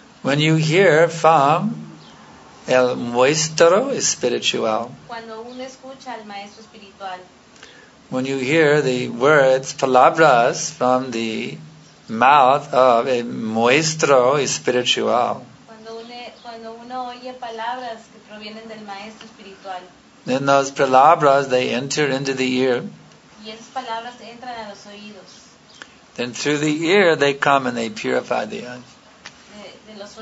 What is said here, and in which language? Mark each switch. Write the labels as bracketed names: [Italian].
[English] When you hear fa, [Spanish] el maestro espiritual. Cuando uno escucha al maestro espiritual. [English] When you hear the words, palabras, from the mouth of a [Spanish] maestro espiritual. Cuando uno oye palabras que provienen del maestro espiritual. [English] Then those palabras, they enter into the ear. [Spanish] Y esas palabras entran a los oídos. [English] Then through the ear they come and they purify the eyes.